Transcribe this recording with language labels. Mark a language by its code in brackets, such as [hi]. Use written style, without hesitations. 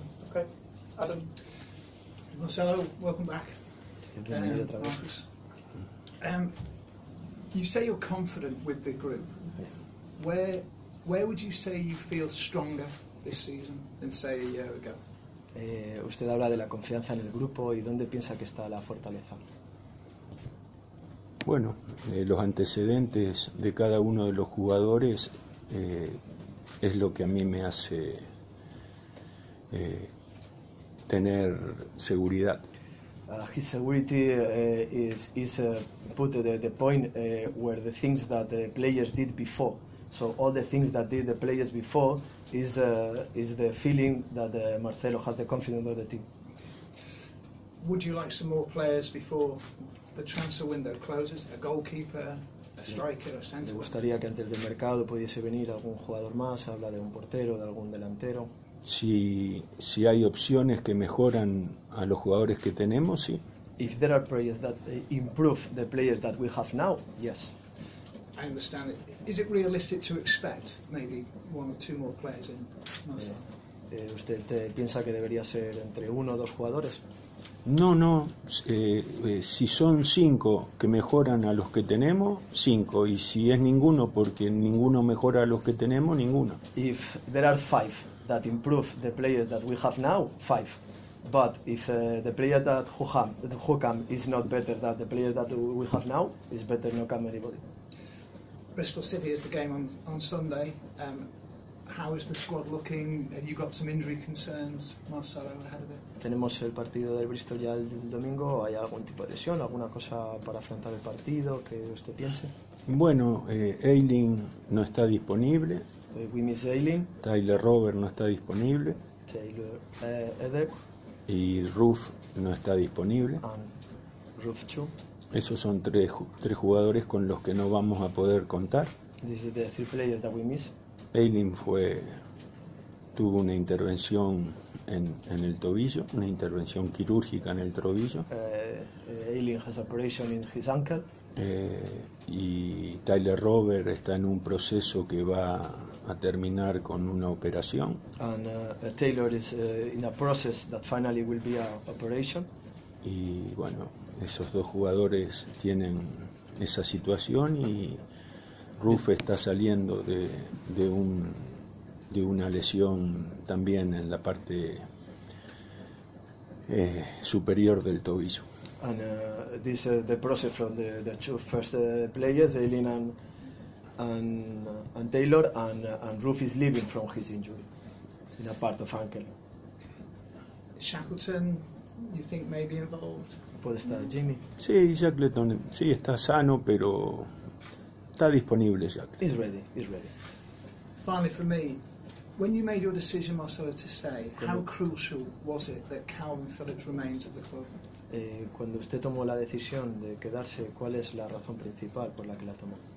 [en] Okay. Adam. Marcelo, welcome back. Marcus. You say you're confident with the group. Yeah. Where would you say you feel stronger this season than say a year ago? [es] Usted habla de la confianza en el grupo y dónde piensa que está la fortaleza. Bueno, los antecedentes de cada uno de los jugadores es lo que a mí me hace tener seguridad. [en] His security is put the point where the things that the players did before. So all the things that did the players before is the feeling that Marcelo has the confidence of the team. Would you like some more players before the transfer window closes? A goalkeeper, a striker, a centre? [es] Me gustaría que antes del mercado pudiese venir algún jugador más, habla de un portero, de algún delantero. Si hay opciones que mejoran a los jugadores que tenemos, sí. [en] If there are players that improve the players that we have now, yes. I understand it. Is it realistic to expect maybe one or two more players in Marseille? [es] ¿Usted piensa que debería ser entre uno o dos jugadores? No. Si son cinco que mejoran a los que tenemos, cinco. Y si es ninguno, porque ninguno mejora a los que tenemos, ninguno. [en] If there are five that improve the players that we have now, five. But if the player that who come is not better than the player that we have now, it's better not come anybody. Bristol City is the game on Sunday. How is the squad looking? Have you got some injury concerns, Marcelo, ahead of it? [es] Tenemos el partido del Bristol ya el domingo. ¿Hay algún tipo de lesión, alguna cosa para afrontar el partido que usted piense? Bueno, Ailing no está disponible. [en] We miss Ailing. [es] Tyler Robert no está disponible. [en] Taylor Eder. [es] Y Ruff no está disponible. [en] And Ruff too. [es] Esos son tres jugadores con los que no vamos a poder contar. [en] This is the three players that we miss. [es] Ailing tuvo una intervención en el tobillo, una intervención quirúrgica en el tobillo. [en] Ailing has operation in his ankle. [es] Y Tyler Robert está en un proceso que va a terminar con una operación. [en] And Taylor is in a process that finally will be a operation. [es] Y bueno, esos dos jugadores tienen esa situación y Ruff está saliendo de una lesión también en la parte superior del tobillo. [en] And this is the process from the two first players, Ailing and Taylor, and Ruff is leaving from his injury in a part of ankle. Shackleton, you think maybe involved? [es] Puede estar Jimmy. Sí, Shackleton, sí, está sano, pero está disponible Shackleton. [en] He's ready. Finally for me, when you made your decision, Marcelo, to stay, how crucial was it that Calvin Phillips remains at the club? [es] Cuando usted tomó la decisión de quedarse, ¿cuál es la razón principal por la que la tomó?